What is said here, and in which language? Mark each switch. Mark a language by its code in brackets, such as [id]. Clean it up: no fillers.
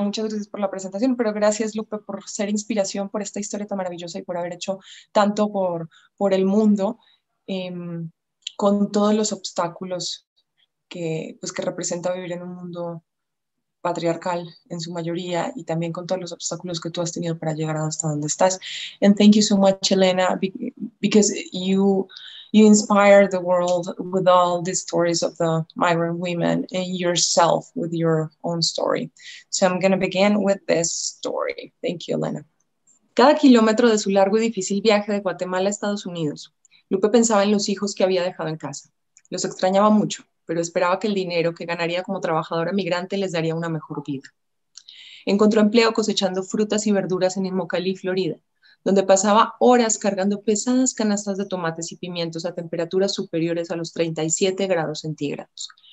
[es] Muchas gracias por la presentación, pero gracias, Lupe, por ser inspiración por esta historia tan maravillosa y por haber hecho tanto por el mundo con todos los obstáculos que representa vivir en un mundo patriarcal en su mayoría y también con todos los obstáculos que tú has tenido para llegar hasta donde estás. [en] And thank you so much, Elena, because you inspire the world with all these stories of the migrant women and yourself with your own story. So I'm going to begin with this story. Thank you, Elena. [es] Cada kilómetro de su largo y difícil viaje de Guatemala a Estados Unidos, Lupe pensaba en los hijos que había dejado en casa. Los extrañaba mucho, pero esperaba que el dinero que ganaría como trabajadora migrante les daría una mejor vida. Encontró empleo cosechando frutas y verduras en Immokalee, Florida, donde pasaba horas cargando pesadas canastas de tomates y pimientos a temperaturas superiores a los 37 grados centígrados.